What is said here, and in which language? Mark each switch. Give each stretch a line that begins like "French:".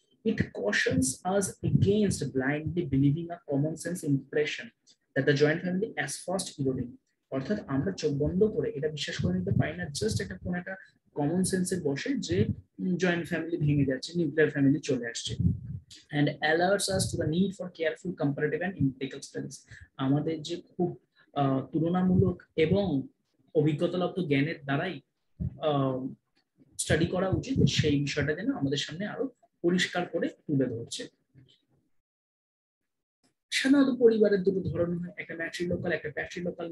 English: it cautions us against blindly believing a common sense impression that the joint family as first eroding,
Bangla: অর্থাৎ আমরা চোখ বন্ধ করে এটা বিশ্বাস করে নিতে পারি না জাস্ট একটা কোন একটা কমন সেন্সের বসে যে জয়েন্ট ফ্যামিলি ভেঙে যাচ্ছে, নিউক্লিয়ার ফ্যামিলি চলে আসছে।
English: And alerts us to the need for careful comparative and empirical studies.
Bangla: আমাদের যে খুব তুলনামূলক এবং অভিজ্ঞতালব্ধ জ্ঞানের দ্বারাই স্টাডি করা উচিত, সেই বিষয়টা যেন আমাদের সামনে আরো পরিষ্কার করে তুলে ধরছে। সাধারণত পরিবারের দুটো ধরন হয়, একটা ম্যাট্রিলোকাল, একটা প্যাট্রিলোকাল।